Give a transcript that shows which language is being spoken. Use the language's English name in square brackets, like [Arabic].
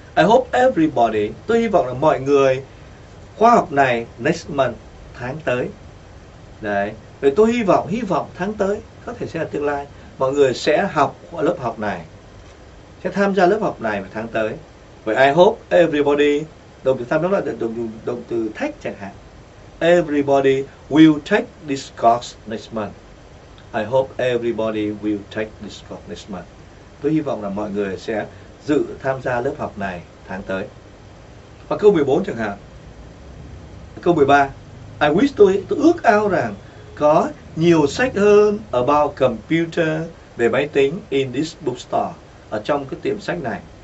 [English] I hope everybody, [Vietnamese] tôi hy vọng là mọi người khóa học này [English] next month, [Vietnamese] tháng tới. Đấy. Vậy tôi hy vọng tháng tới, có thể sẽ là tương lai, mọi người sẽ học ở lớp học này. Sẽ tham gia lớp học này vào tháng tới. Vậy [English] I hope everybody, [Vietnamese] động từ tham đó là động từ take chẳng hạn. [English] Everybody will take this course next month. I hope everybody will take this course next month. [Vietnamese] Tôi hy vọng là mọi người sẽ dự tham gia lớp học này tháng tới. Và câu 14 chẳng hạn. Câu 13. [English] I wish, [Vietnamese] tôi ước ao rằng có nhiều sách hơn [English] about computer, [Vietnamese] về máy tính, [English] in this bookstore, [Vietnamese] ở trong cái tiệm sách này.